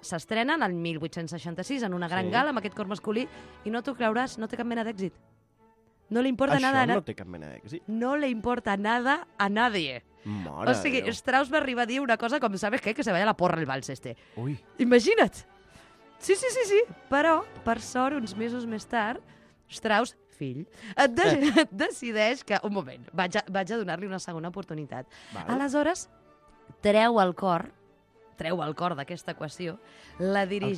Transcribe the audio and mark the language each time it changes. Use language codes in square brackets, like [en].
[ca] S'estrena el 1866 en una gran gala amb aquest cor masculí i no t'ho creuràs, no té cap mena d'èxit. No li importa això [es] nada. [ca] Això no té cap mena d'èxit. No li importa [es] nada a nadie. [ca] Mare, o sigui, Déu. Strauss va arribar a dir una cosa com, [es] ¿sabes qué? Que se vaya la porra el vals este. [ca] Ui. Imagina't. Sí. Però, per sort, uns mesos més tard, Strauss, fill, decideix que... Un moment, vaig a donar-li una segona oportunitat. Val. Aleshores, treu el cor d'aquesta equació, la dirigeix...